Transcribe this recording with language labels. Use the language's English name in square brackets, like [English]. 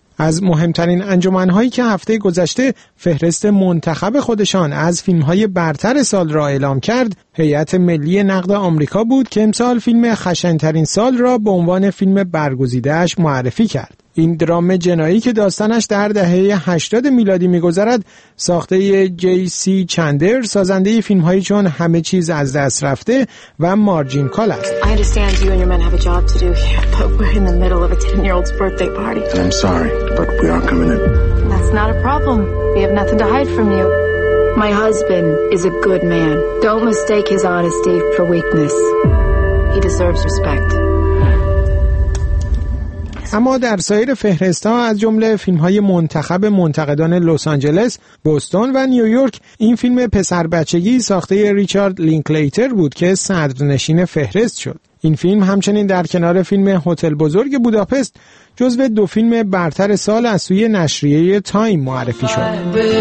[Persian] از مهمترین انجمنهایی که هفته گذشته فهرست منتخب خودشان از فیلمهای برتر سال را اعلام کرد، هیئت ملی نقد آمریکا بود که امسال فیلم خشنترین سال را به عنوان فیلم برگزیده‌اش معرفی کرد. این درام جنایی که داستانش در دهه 80 میلادی می‌گذرد، ساخته جی سی چندر، سازنده فیلم‌هایی چون همه چیز از دست رفته و مارجین کال است. [English] I understand you and your men have a job to do here, but we're in the middle of a 10-year-old's birthday party. I'm sorry, but we aren't coming in. That's not a problem. We have nothing to hide from you. My husband is a good man. Don't mistake his honesty for weakness. He deserves respect. [Persian] اما در سایر فهرست‌ها از جمله فیلم‌های منتخب منتقدان لس آنجلس، بوستون و نیویورک، این فیلم پسر بچگی ساخته ریچارد لینکلیتر بود که صدرنشین فهرست شد. این فیلم همچنین در کنار فیلم هتل بزرگ بوداپست جزو دو فیلم برتر سال از سوی نشریه تایم معرفی شد.